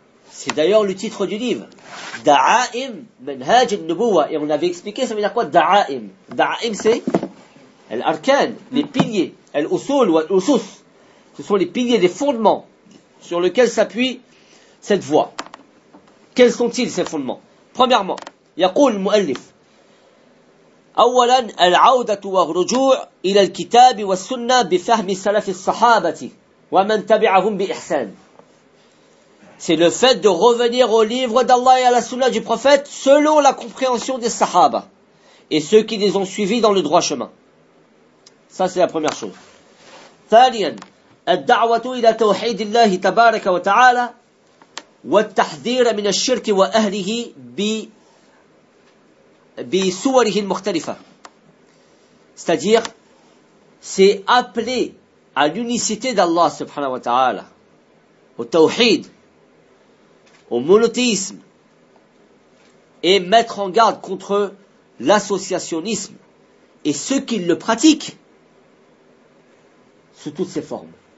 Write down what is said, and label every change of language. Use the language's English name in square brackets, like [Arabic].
[French] C'est d'ailleurs le titre du livre. Da'aim manhaj al-nubuwa. Et on avait expliqué, ça veut dire quoi? Da'aim. Da'aim, c'est Al-Arkan, les piliers, Al-Usul ou Al-Usus, ce sont les piliers, les fondements sur lesquels s'appuie cette voie. Quels sont-ils ces fondements? Premièrement, [Arabic] يقول المؤلف أولا العودة والرجوع إلى الكتاب والسنة بفهم سلف الصحابة ومن تبعهم بإحسان. [French] C'est le fait de revenir au livre d'Allah et à la sunna du prophète selon la compréhension des sahaba et ceux qui les ont suivis dans le droit chemin. Ça, c'est la première chose. [Arabic] ثانيا الدعوة إلى توحيد الله تبارك وتعالى والتحذير من الشرك وأهله بصوره المختلفة. [French] C'est-à-dire, c'est appeler à l'unicité d'Allah subhanahu wa ta'ala, au tawhid, au monothéisme, et mettre en garde contre l'associationnisme et ceux qui le pratiquent sous toutes ses formes.